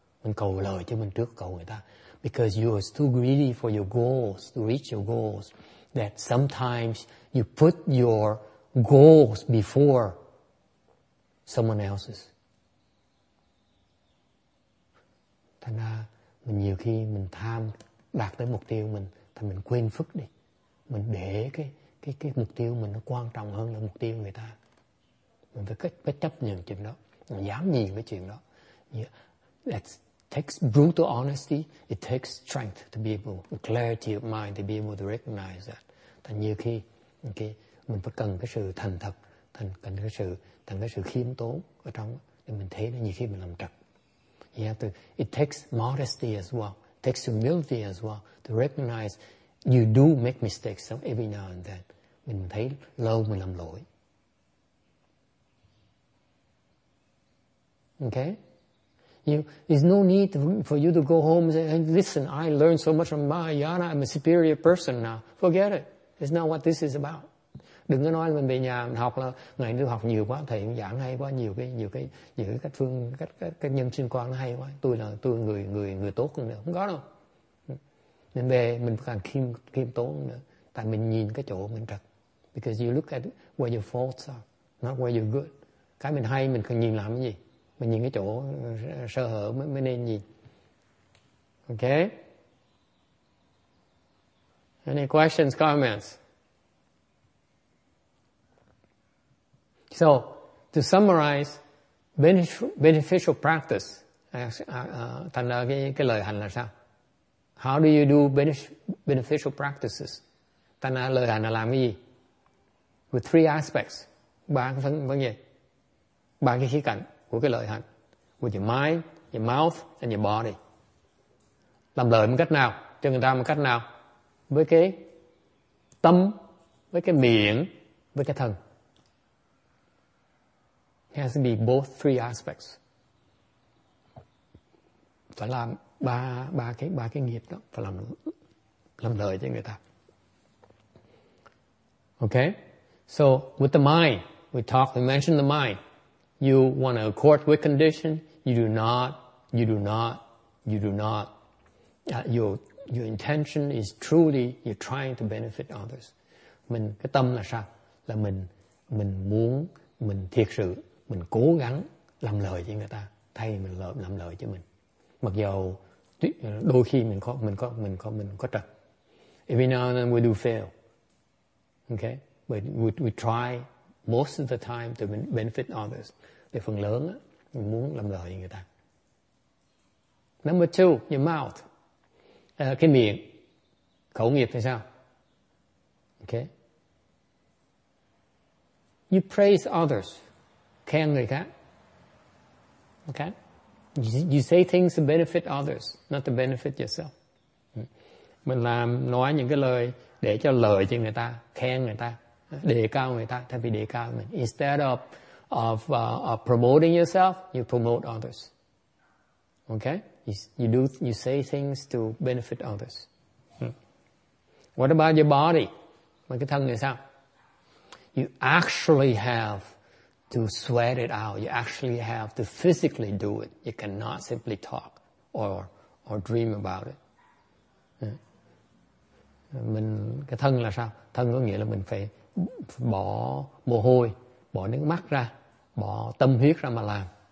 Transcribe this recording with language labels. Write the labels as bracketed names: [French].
[Vietnamese] Mình cầu lời cho mình trước, cầu người ta. [English] Because you are too greedy for your goals, to reach your goals, that sometimes you put your goals before someone else's. [Vietnamese] Thành ra mình nhiều khi mình tham đạt tới mục tiêu mình thì mình quên phức đi, mình để cái mục tiêu mình nó quan trọng hơn là mục tiêu người ta. Mình phải chấp nhận chuyện đó, mình dám nhìn cái chuyện đó. [English] It takes brutal honesty, it takes strength to be able, clarity of mind to be able to recognize that. [Vietnamese] Thành nhiều khi okay, mình phải cần cái sự thành thật, cần cái sự khiêm tốn ở trong để mình thấy nó nhiều khi mình làm trật. [English] You have to, it takes modesty as well, it takes humility as well to recognize you do make mistakes so every now and then. [Vietnamese] Mình thấy lâu mình làm lỗi. [English] Okay? There's no need for you to go home and say, hey, listen, I learned so much from Mahayana, I'm a superior person now. Forget it. It's not what this is about. [Vietnamese] Đừng có nói mình về nhà mình học là ngày đi học nhiều quá, thầy giảng hay quá, nhiều cái cách phương cách nhân sinh quan nó hay quá, tôi người tốt hơn nữa, không có đâu. Nên về mình càng khiêm tốn nữa, tại mình nhìn cái chỗ mình trật. [English] Because you look at where your faults are, not where you're good. [Vietnamese] Cái mình hay mình cần nhìn làm cái gì, mình nhìn cái chỗ sơ hở mới nên nhìn. [English] Okay, any questions, comments? So, to summarize, beneficial practice. [Vietnamese] Thành ra cái lời hành là sao? [English] How do you do beneficial practices? [Vietnamese] Thành ra lời hành là làm cái gì? [English] With three aspects. [Vietnamese] Ba cái vấn đề. Ba cái khía cạnh của cái lời hành. [English] With your mind, your mouth, and your body. [Vietnamese] Làm lời một cách nào? Cho người ta một cách nào? Với cái tâm, với cái miệng, với cái thần. [English] It has to be both three aspects. [Vietnamese] Phải làm ba cái nghiệp đó, phải làm lời cho người ta. [English] Okay, so with the mind, we mentioned the mind. You want to accord with condition, you do not. Your intention is truly you're trying to benefit others. [Vietnamese] Mình cái tâm là sao? Là mình muốn, mình thiệt sự. Mình cố gắng làm lời cho người ta thay vì mình làm lời cho mình. Mặc dù đôi khi mình có trật. [English] Every now and then we do fail. Okay? But we try most of the time to benefit others. [Vietnamese] Thì phần lớn á, mình muốn làm lời cho người ta. [English] Number two, your mouth. [Vietnamese] Cái miệng. Khẩu nghiệp thì sao? [English] Okay? You praise others. [Vietnamese] Khen người khác. [English] Okay? You say things to benefit others, not to benefit yourself. [Vietnamese] Mình làm nói những cái lời để cho lợi cho người ta, khen người ta. đề cao người ta, thay vì đề cao mình. [English] Instead of promoting yourself, you promote others. Okay? You say things to benefit others. What about your body? [Vietnamese] Mà cái thân này sao? [English] You actually have to sweat it out. You actually have to physically do it. You cannot simply talk or dream about it. [Vietnamese] Mình cái thân là sao? Thân có nghĩa là mình phải bỏ mồ hôi, bỏ nước mắt ra, bỏ tâm huyết ra mà làm.